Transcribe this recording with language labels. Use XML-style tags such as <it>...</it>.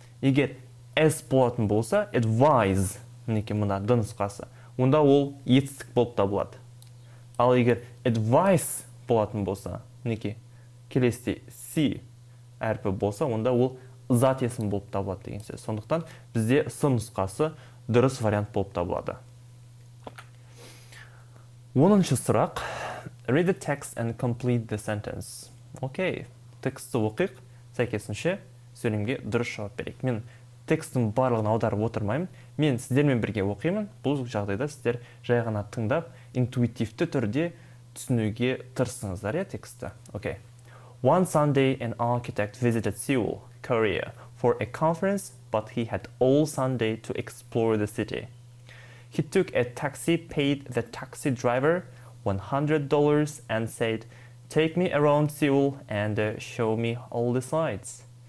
<kk>Егер S болатын болса, advise, мінекі мұнда дұнысқасы, онда ол етістік болып табылады. Ал егер advice болатын болса, мінекі келесі C әрпі болса, онда ол зат есім болып табылады деген сөз. Сондықтан бізде сын нұсқасы дұрыс вариант болып табылады. 10-шы сұрақ.</kk> <en>Read the text and complete the sentence.</en> <kk>Окей, текстті оқиық, сәйкесінше сөйлемге дұрыс жауап берек. Мен текстім барлығын аударып отырмаймын, мен сіздермен бірге оқимын. Бұл жағдайда сіздер жайғана тыңдап, интуитивті түрде түсінуге тырысыңыздар тексті. Окей.</kk> <en>One Sunday an architect visited Seoul, Korea for a conference, but he had all Sunday to explore the city. He took a taxi, paid the taxi driver $100 and said, take me around Seoul and show me all the sights.</en>